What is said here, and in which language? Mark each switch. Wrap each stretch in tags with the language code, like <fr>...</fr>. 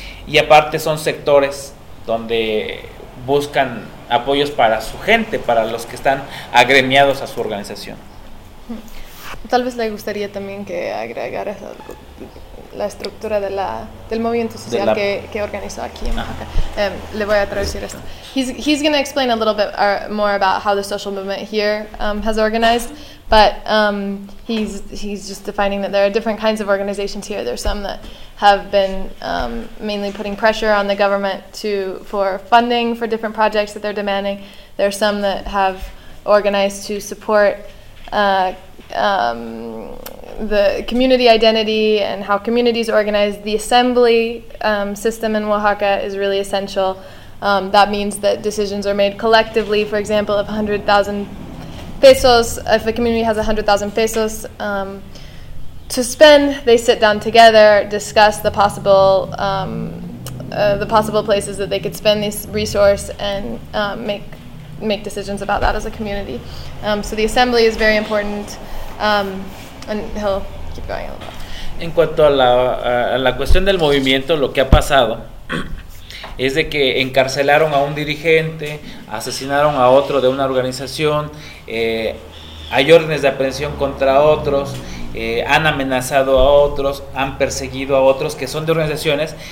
<es>Y aparte son sectores donde buscan apoyos para su gente, para los que están agremiados a su organización. Tal vez le gustaría también que agregaras algo, la estructura de la, del movimiento social de la, que organizó aquí en Oaxaca. Le voy a traducir esto.</es> <en>He's going to explain a little bit more about how the social movement here has organized, but he's just defining that there are different kinds of organizations here. There's some that have been mainly putting pressure on the government to for funding for different projects that they're demanding. There are some that have organized to support the community identity and how communities organize. The assembly system in Oaxaca is really essential. That means that decisions are made collectively. For example, if 100,000 pesos, if a community has 100,000 pesos to spend, they sit down together, discuss the possible places that they could spend this resource, and make decisions about that as a community. So the assembly is very important. And he'll keep going a little bit.</en> <es>En cuanto a la cuestión del movimiento, lo que ha pasado es de que encarcelaron a un dirigente, asesinaron a otro de una organización, hay órdenes de aprehensión contra otros, han amenazado a otros, han perseguido a otros que son de organizaciones.</es>